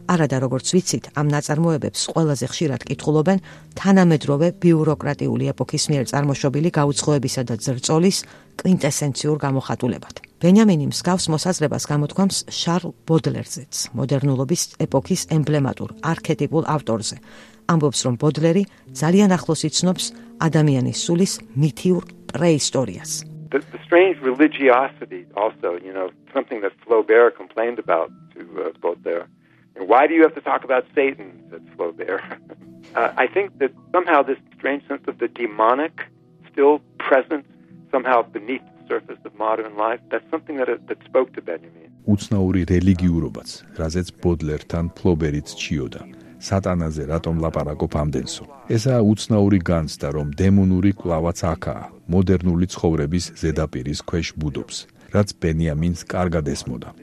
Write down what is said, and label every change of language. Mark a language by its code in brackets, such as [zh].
[ka] არადა როგორც ვიცით, ამ ნაწარმოებებს ყველაზე ხშირად კითხულობენ თანამედროვე ბიუროკრატიული ეპოქის მიერ წარმოშობილი გაუცხოებისა და ძრწოლის კვინტესენციურ გამოხატულებად. ბენიამინი მსგავს მოსაზრებას გამოთქვამს შარლ ბოდლერზეც, მოდერნულობის ეპოქის ემბლემატურ არქეტიპულ ავტორზე. Амбопс რომ ბოდლერი ძალიან ახლოს იცნობს ადამიანის სულის მითიურ პრეისტორიას. [en] The strange religiosity also, you know, something that Flaubert complained about to Baudelaire. And why do you have to talk about Satan, said Flaubert? I think that somehow this strange sense of the demonic still present somehow beneath the surface of modern life, that's something that spoke to Benjamin. [ka] Უცნაური რელიგიურობაც, რაზეც ბოდლერთან ფლობერიც ჩიოდა. სატანაზე რატომ ლაპარაკობ ამდენსო? ესა უცნაური განცდა, რომ დემონური კლავაც აქაა, მოდერნული ცხოვრების ზედაპირის ქვეშ ბუდობს, რაც ბენიამინს კარგად ესმოდა.